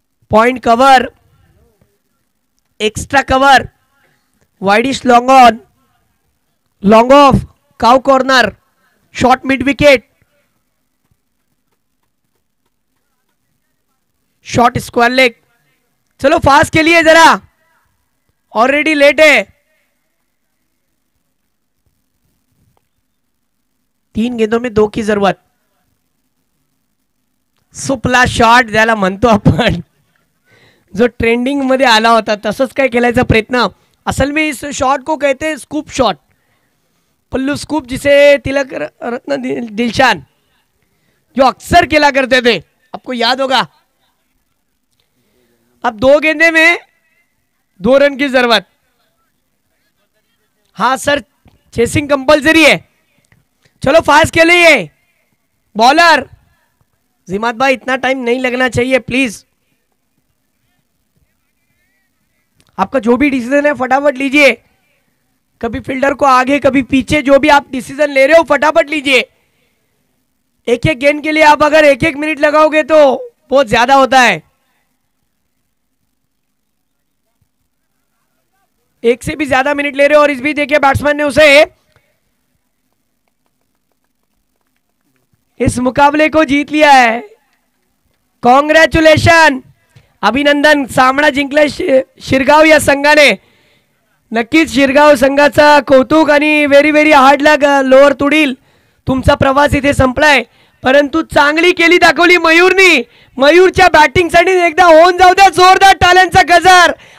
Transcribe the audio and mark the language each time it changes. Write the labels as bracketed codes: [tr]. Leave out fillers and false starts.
[en] Point cover, extra cover, wideish long on, long off, cow corner, short mid wicket, short square leg. [hi] चलो fast के लिए जरा, already late है. तीन गेंदों में दो की जरूरत. [mr] सुपला शॉट ज्याला म्हणतो आपण, जो ट्रेंडिंग मध्ये आला होता तसंच काय खेळायचा प्रयत्न. [hi] असल में इस शॉट को कहते स्कूप शॉट, पल्लू स्कूप, जिसे तिलक रत्न दिलशान जो अक्सर खेला करते थे, आपको याद होगा. अब दो गेंदे में दो रन की जरूरत. हाँ सर, चेसिंग कंपलसरी है. चलो फास्ट के लिए बॉलर जिमात भाई, इतना टाइम नहीं लगना चाहिए प्लीज. आपका जो भी डिसीजन है फटाफट लीजिए, कभी फील्डर को आगे कभी पीछे, जो भी आप डिसीजन ले रहे हो फटाफट लीजिए. एक एक गेंद के लिए आप अगर एक एक मिनट लगाओगे तो बहुत ज्यादा होता है, एक से भी ज्यादा मिनट ले रहे हो. और इस बीच देखिए बैट्समैन ने उसे इस मुकाबले को जीत लिया है. [en] Congratulation, अभिनंदन. [mr] सामना जिंकला शिरगाव या संघाने. नक्कीच शिरगाव संघाचा कौतुक आणि [en] very very hard लग [mr] लोअर तुडील. तुमचा प्रवास इथे संपलाय, परंतु चांगली केली दाखवली मयूरनी. मयूरच्या बॅटिंगसाठी एकदा होऊन जाऊ द्या जोरदार टाल्यांचा गजर.